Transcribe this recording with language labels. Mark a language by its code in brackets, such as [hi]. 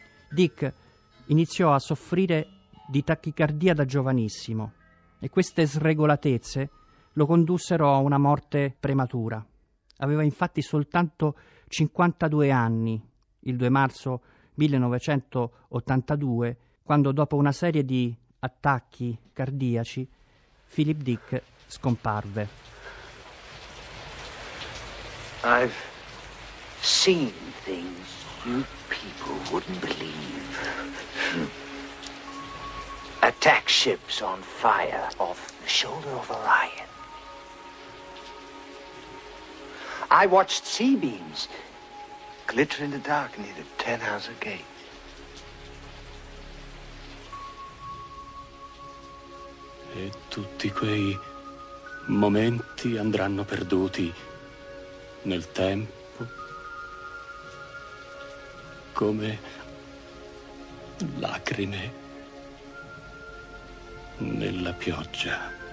[it] Dick iniziò a soffrire di tachicardia da giovanissimo e queste sregolatezze lo condussero a una morte prematura. Aveva infatti soltanto 52 anni il 2 marzo 1982, quando dopo una serie di attacchi cardiaci, Philip Dick scomparve. [en] I've seen things you people wouldn't believe. Attack ships on fire off the shoulder of Orion. I watched sea beams glitter in the dark near the Ten Hauser Gate. [it] E tutti quei momenti andranno perduti nel tempo, come lacrime nella pioggia.